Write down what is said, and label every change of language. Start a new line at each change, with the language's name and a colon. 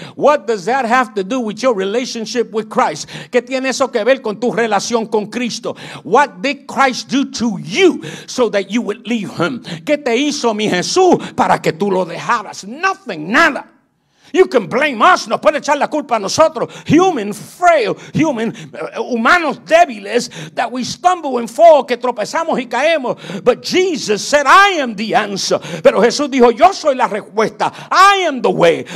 English: What does that have to do with your relationship with Christ?
Spanish: ¿Qué tiene eso que ver con tu relación con Cristo?
English: What did Christ do to you so that you would leave him?
Spanish: ¿Qué te hizo mi Jesús para que tú lo dejaras?
English: Nothing,
Spanish: nada.
English: You can blame us.
Spanish: Nos puede echar la culpa a nosotros.
English: Human, frail, human,
Spanish: humanos débiles,
English: that we stumble and fall,
Spanish: que tropezamos y caemos.
English: But Jesus said, I am the answer.
Spanish: Pero Jesús dijo, yo soy la respuesta.
English: I am the way.